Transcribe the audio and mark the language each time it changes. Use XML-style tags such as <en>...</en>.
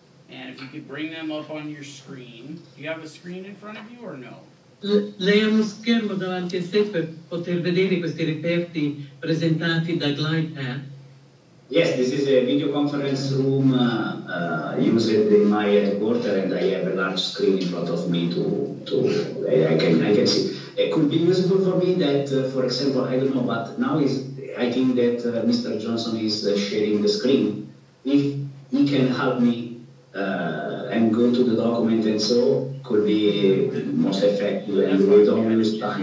<en>And if you could bring them up on your screen. Do you have a screen in front of you or no?</en> <it>Lei ha uno schermo davanti a sé per poter vedere questi reperti presentati da GlidePath?</it> <en>Yes, this is a video conference room used in my headquarters and I have a large screen in front of me I can see. It could be useful for me that, for example, I don't know, but now is I think that Mr. Johnson is sharing the screen. If he can help me and go to the document and so could be most effective and we don't lose time.</en>